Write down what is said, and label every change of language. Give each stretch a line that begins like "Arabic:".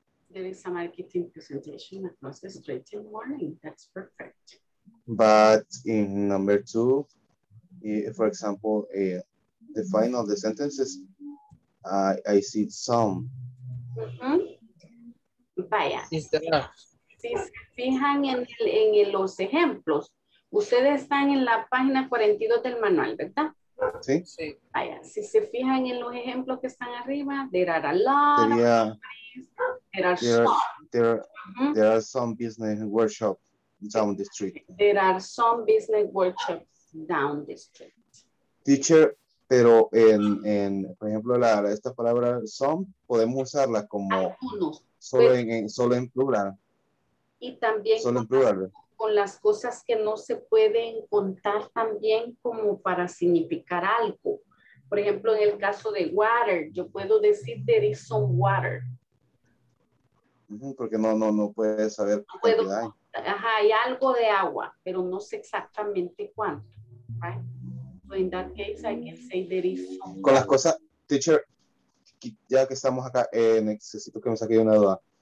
English: There is a marketing presentation across the street in the morning. That's perfect. But in number two, for example, the final of the sentences, I see some.
Spanish: Mm-hmm. Vaya. Si se fijan en los ejemplos, ustedes están en la página 42 del manual, ¿verdad? Sí. Sí. Vaya. Si se fijan en los ejemplos que están arriba,
English: there are a lot.
Spanish: Sería...
English: There are some business workshops down the street. There are some business workshops down the street.
Spanish: Teacher, pero en por ejemplo, esta palabra some, podemos usarla como algunos, solo, pero, en, solo en plural. Y también solo en plural. Con las cosas que no se pueden contar también como para significar algo. Por ejemplo, en el caso de water, yo puedo decir
English: there is some water.
Spanish: Porque no puede saber cuánto hay. Ajá, hay algo de agua, pero no sé exactamente cuánto.
English: Right? So in that case, I can say there is some.
Spanish: Con las cosas, teacher, ya que estamos acá, necesito que me saque una duda.